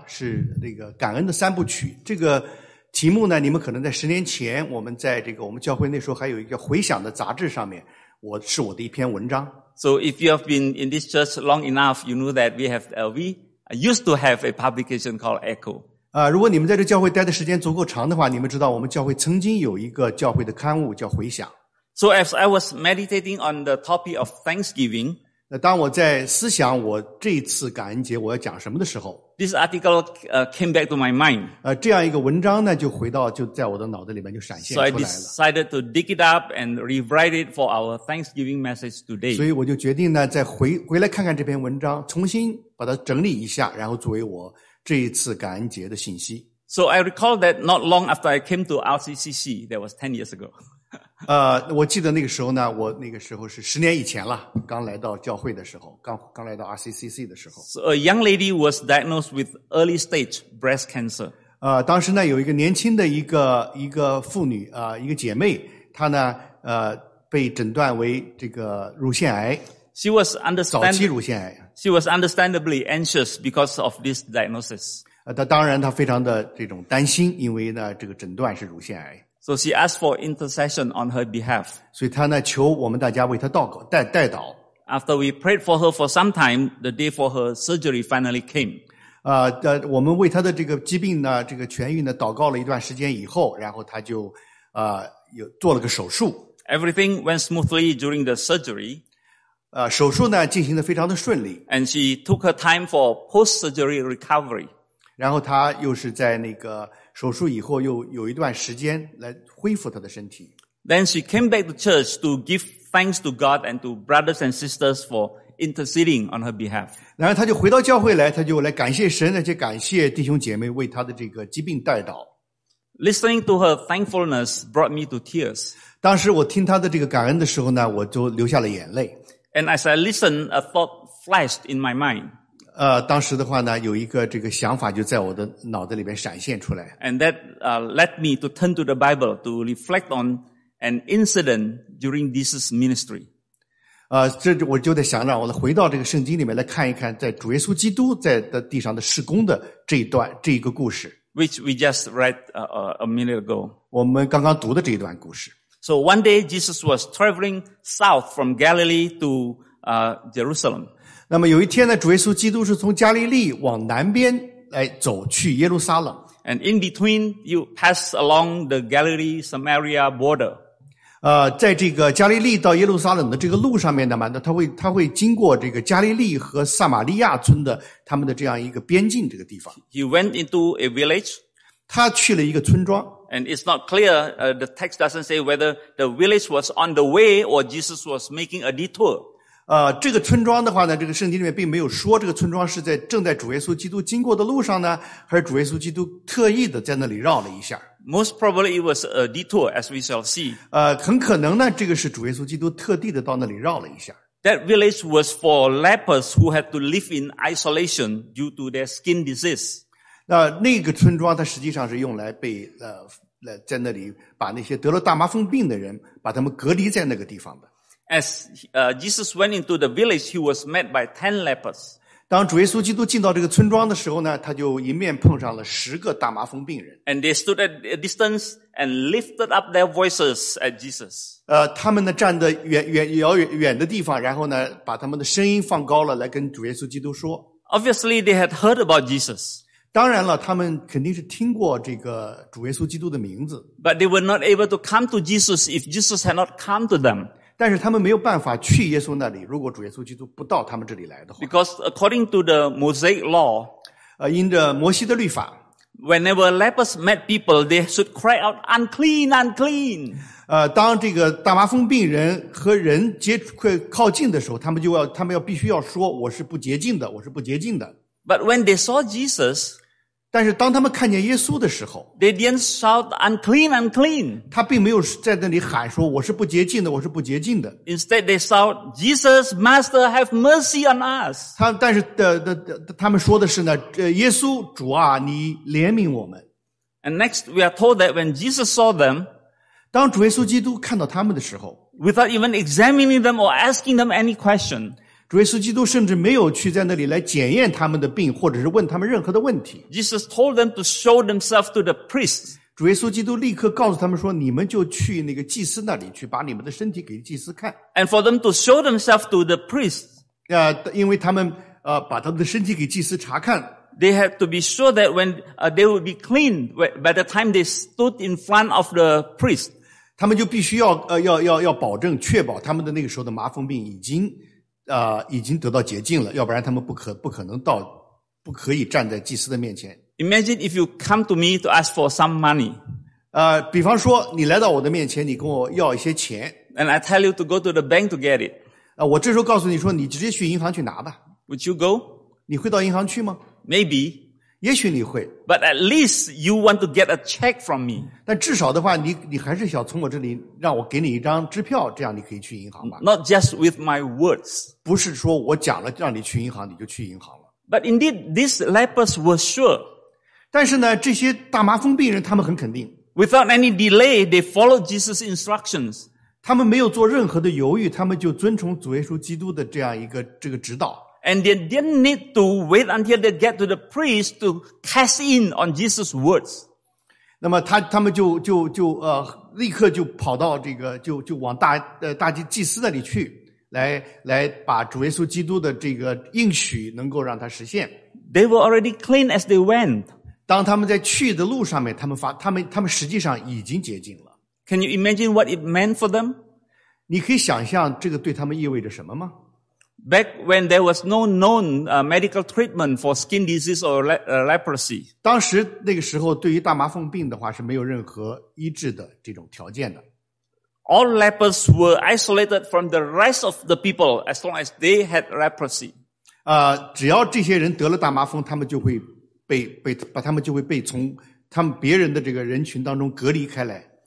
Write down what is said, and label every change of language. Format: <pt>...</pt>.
<zh>是那个感恩的三部曲。这个题目呢，你们可能在十年前，我们在这个我们教会那时候还有一个回响的杂志上面，是我的一篇文章。</zh> <en>So if you have been in this church long enough, you know that we used to have a publication called Echo.</en> <zh>如果你们在这教会待的时间足够长的话，你们知道我们教会曾经有一个教会的刊物叫回响。</zh> <en>So as I was meditating on the topic of Thanksgiving,</en> <zh>当我在思想我这一次感恩节我要讲什么的时候</zh> <en>,this article came back to my mind.</en> <zh>这样一个文章呢就在我的脑袋里面就闪现出来了。</zh> <en>So I decided to dig it up and rewrite it for our Thanksgiving message today.</en> <zh>所以我就决定呢再回来看看这篇文章，重新把它整理一下，然后作为我这一次感恩节的信息。</zh> <en>So I recall that not long after I came to RCCC, that was 10 years ago.</en> <zh>我记得那个时候呢，我那个时候是十年以前了，刚来到教会的时候，刚来到 RCCC 的时候。</zh> <en>So a young lady was diagnosed with early stage breast cancer.</en> <zh>当时呢，有一个年轻的一个妇女啊、一个姐妹，她呢被诊断为这个乳腺癌。</zh> <en>She was understand</en> <zh>早期乳腺癌。</zh> <en>She was understandably anxious because of this diagnosis.</en> <zh>当然她非常的这种担心，因为呢这个诊断是乳腺癌。</zh> <en>So she asked for intercession on her behalf.</en> <zh>所以她呢求我们大家为她代祷。</zh> <en>After we prayed for her for some time, the day for her surgery finally came.</en> <zh>我们为她的这个疾病呢这个痊愈呢祷告了一段时间以后，然后她就做了个手术。</zh> <en>Everything went smoothly during the surgery.</en> <zh>手术呢进行得非常的顺利。</zh> <en>And she took her time for post-surgery recovery.</en> <zh>然后她又是在那个手术以后又有一段时间来恢复她的身体。</zh> <en>Then she came back to church to give thanks to God and to brothers and sisters for interceding on her behalf.</en> <zh>然后她就回到教会来，她就来感谢神，来感谢弟兄姐妹为她的这个疾病代祷。</zh> <en>Listening to her thankfulness brought me to tears.</en> <zh>当时我听她的这个感恩的时候呢，我就流下了眼泪。</zh> <en>And as I listened, a thought flashed in my mind.</en> <zh>当时的话呢，有一个这个想法就在我的脑子里面闪现出来。</zh> <en>And that led me to turn to the Bible to reflect on an incident during Jesus' ministry.</en> <zh>这我就在想让我回到这个圣经里面来看一看，在主耶稣基督在地上的事工的这一段这一个故事。</zh> <en>Which we just read a minute ago.</en> <zh>我们刚刚读的这一段故事。</zh> <en>So one day Jesus was traveling south from Galilee to Jerusalem.</en> <zh>那么有一天呢，主耶稣基督是从加利利往南边来走去耶路撒冷。</zh> <en>And in between, you pass along the Galilee-Samaria border.</en> <zh>在这个加利利到耶路撒冷的这个路上面呢嘛，他会经过这个加利利和撒玛利亚村的他们的这样一个边境这个地方。</zh> <en>He went into a village.</en> <zh>他去了一个村庄。</zh> <en>And it's not clear, the text doesn't say whether the village was on the way or Jesus was making a detour.</en> <zh>这个村庄的话呢，这个圣经里面并没有说这个村庄是在正在主耶稣基督经过的路上呢，还是主耶稣基督特意的在那里绕了一下。</zh> <en>Most probably it was a detour, as we shall see.</en> <zh>很可能呢，这个是主耶稣基督特地的到那里绕了一下。</zh> <en>That village was for lepers who had to live in isolation due to their skin disease.</en> <zh>那个村庄它实际上是用来被在那里把那些得了大麻风病的人把他们隔离在那个地方的。</zh> <en>As Jesus went into the village, he was met by 10 lepers.</en> <zh>当主耶稣基督进到这个村庄的时候呢，他就迎面碰上了十个大麻风病人。</zh> <en>And they stood at a distance and lifted up their voices at Jesus.</en> <zh>他们呢站得远的地方，然后呢把他们的声音放高了来跟主耶稣基督说。</zh> <en>Obviously they had heard about Jesus.</en> <zh>当然了，他们肯定是听过这个主耶稣基督的名字。</zh> <en>But they were not able to come to Jesus if Jesus had not come to them.</en> <zh>但是他们没有办法去耶稣那里，如果主耶稣基督不到他们这里来的话。</zh> <en>Because according to the Mosaic law,</en> <zh>因着摩西的律法</zh> <en>,whenever lepers met people, they should cry out, unclean, unclean.</en> <zh>当这个大麻风病人和人靠近的时候，他们必须要说，我是不洁净的，我是不洁净的。</zh> <en>But when they saw Jesus,</en> <zh>但是当他们看见耶稣的时候</zh> <en>they didn't shout unclean, unclean.</en> <zh>他并没有在那里喊说我是不洁净的，我是不洁净的。</zh> <en>Instead, they shout, Jesus, Master, have mercy on us.</en> <zh>他们说的是呢，耶稣主啊，你怜悯我们。</zh> <en>And next, we are told that when Jesus saw them,</en> <zh>当主耶稣基督看到他们的时候</zh> <en>without even examining them or asking them any question,</en> <zh>主耶稣基督甚至没有去在那里来检验他们的病，或者是问他们任何的问题。</zh> <en>Jesus told them to show themselves to the priests.</en> <zh>主耶稣基督立刻告诉他们说：“你们就去那个祭司那里去，把你们的身体给祭司看。</zh> <en>”And for them to show themselves to the priests.</en> <zh>因为他们把他们的身体给祭司查看。</zh> <en>They had to be sure that when they would be clean by the time they stood in front of the priest.</en> <zh>他们就必须要保证，确保他们的那个时候的麻风病已经得到洁净了，要不然他们不可以站在祭司的面前。</zh> <en>Imagine if you come to me to ask for some money.</en> <zh>比方说你来到我的面前，你跟我要一些钱。</zh> <en>And I tell you to go to the bank to get it.</en> <zh>我这时候告诉你说，你直接去银行去拿吧。</zh> <en>Would you go?</en> <zh>你会到银行去吗</zh> <en>？Maybe.</en> <zh>也许你会。</zh> <en>But at least you want to get a check from me.</en> <zh>但至少的话，你还是想从我这里让我给你一张支票，这样你可以去银行吧。</zh> <en>Not just with my words.</en> <zh>不是说我讲了让你去银行，你就去银行了。</zh> <en>But indeed, these lepers were sure.</en> <zh>但是呢，这些大麻风病人他们很肯定。</zh> <en>Without any delay, they followed Jesus' instructions.</en> <zh>他们没有做任何的犹豫，他们就遵从主耶稣基督的这样一个这个指导。</zh> <en>And they didn't need to wait until they get to the priest to cash in on Jesus' words.</en> <zh>那么他们就立刻就跑到这个就往大祭司那里去，来把主耶稣基督的这个应许能够让他实现。</zh> <en>They were already clean as they went.</en> <zh>当他们在去的路上面，他们实际上已经洁净了。</zh> <en>Can you imagine what it meant for them?</en> <zh>你可以想象这个对他们意味着什么吗？</zh> <en>Back when there was no known medical treatment for skin disease or leprosy.</en> <zh>当时那个时候对于大麻风病的话是没有任何医治的这种条件的。</zh> <en>All lepers were isolated from the rest of the people as long as they had leprosy.</en> <zh>只要这些人得了大麻风，他们就会把他们就会被从他们别人的这个人群当中隔离开来。</zh>